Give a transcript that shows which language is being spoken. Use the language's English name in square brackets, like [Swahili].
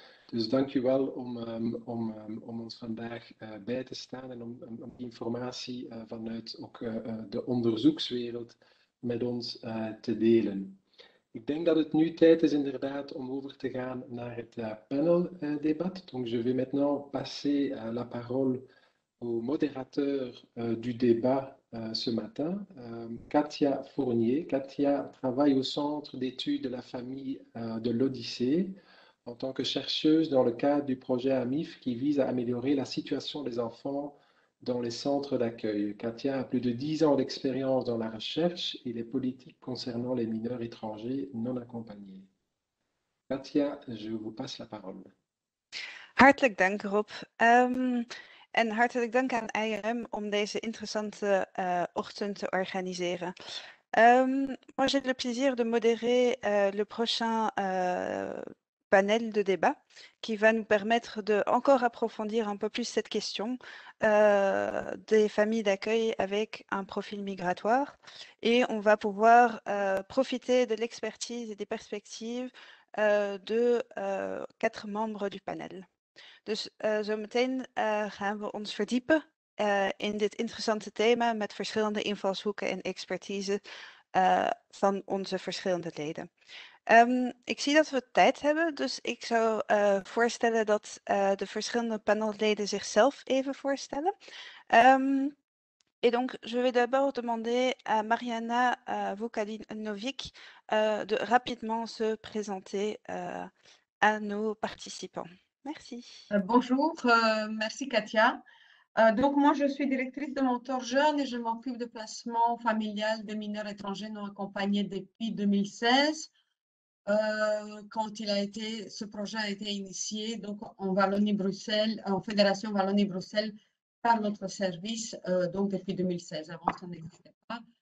[Dutch] Dus dank u wel om ons vandaag bij te staan en om informatie vanuit ook de onderzoekswereld met ons te delen. Ik denk dat het nu tijd is inderdaad om over te gaan naar het paneldebat. [French] Donc je vais maintenant passer la parole au modérateur du débat ce matin, Katia Fournier. Katia travaille au Centre d'études de la famille de l'Odyssée en tant que chercheuse dans le cadre du projet AMIF qui vise à améliorer la situation des enfants dans les centres d'accueil. Katia a plus de 10 ans d'expérience dans la recherche et les politiques concernant les mineurs étrangers non accompagnés. Katia, je vous passe la parole. [Dutch] Hartelijk dank, Rob. En hartelijk dank aan IRM om deze interessante ochtend te organiseren. [French] Moi, j'ai le plaisir de modérer le prochain panel de débat qui va nous permettre de encore approfondir un peu plus cette question des familles d'accueil avec un profil migratoire. Et on va pouvoir profiter de l'expertise et des perspectives de quatre membres du panel. [Dutch] Dus zometeen gaan we ons verdiepen in dit interessante thema met verschillende invalshoeken en expertise van onze verschillende leden. Ik zie dat we tijd hebben, dus ik zou voorstellen dat de verschillende panelleden zichzelf even voorstellen. [French] Et donc, je vais d'abord demander à Mariana Vukadinovic de rapidement se présenter à nos participants. Merci. Bonjour, merci Katia. Donc moi, je suis directrice de Mentor Jeune et je m'occupe de placement familial des mineurs étrangers non accompagnés depuis 2016, quand ce projet a été initié donc en Wallonie-Bruxelles, en Fédération Wallonie-Bruxelles, par notre service donc depuis 2016, avant ça n'existait pas.